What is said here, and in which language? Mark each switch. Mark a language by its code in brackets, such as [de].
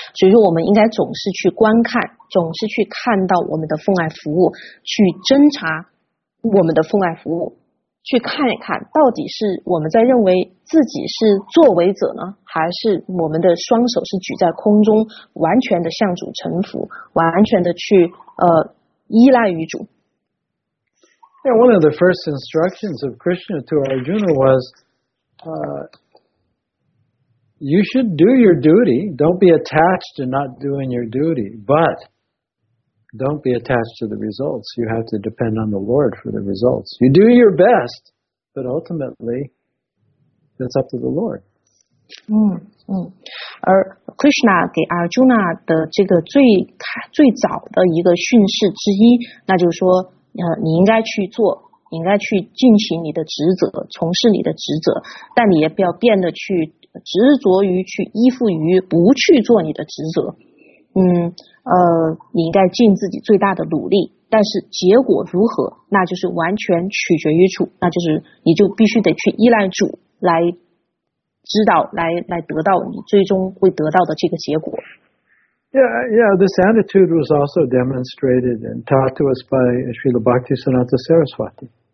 [zh] 所以说我们应该总是去观看，总是去看到我们的奉爱服务，去侦查我们的奉爱服务，去看一看到底是我们在认为自己是作为者呢，还是我们的双手是举在空中，完全的向主臣服，完全的去依赖于主。 [en] Yeah, one of the first instructions of Krishna to Arjuna was, You should do your duty. Don't be attached to not doing your duty, but don't be attached to the results. You have to depend on the Lord for the results. You do your best, but ultimately, it's up to the Lord. [zh] 而 Krishna 给 Arjuna 的这个最早的一个训示之一，那就是说，你应该去做。你应该去进行你的职责，从事你的职责，但你也不要变得去执着于去依附于不去做你的职责。你应该尽自己最大的努力，但是结果如何，那就是完全取决于主，那就是你就必须得去依赖主来知道，来得到你最终会得到的这个结果。 [en] Yeah, yeah, this attitude was also demonstrated and taught to us by Srila Bhaktisiddhanta Saraswati.